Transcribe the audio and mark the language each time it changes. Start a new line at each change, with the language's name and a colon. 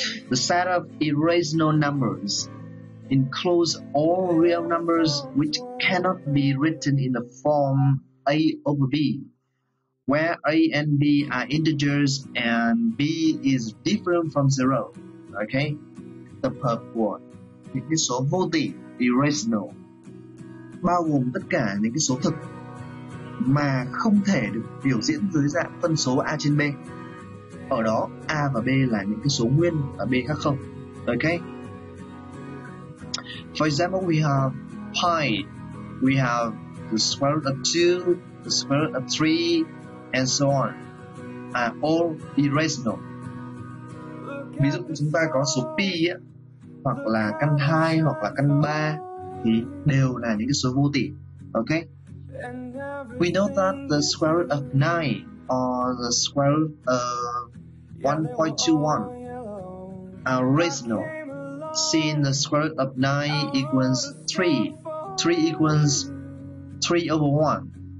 English: The set of irrational numbers includes all real numbers which cannot be written in the form A over B, where A and B are integers and B is different from zero. Okay?
Vietnamese: Tập hợp của những cái số vô tỉ, irrational, bao gồm tất cả những cái số thực mà không thể được biểu diễn dưới dạng phân số A trên B. Ở đó A và B là những cái số nguyên và B khác không.
English: Okay? For example, we have pi, we have the square root of 2, the square root of 3, and so on, are all irrational.
Vietnamese: Ví dụ chúng ta có số pi ấy, hoặc là căn 2 hoặc là căn 3 thì đều là những cái số vô tỉ.
English: Okay? We know that the square root of 9 or the square root of 1.21 are rational, seeing the square root of 9 equals 3, 3 equals 3 over 1.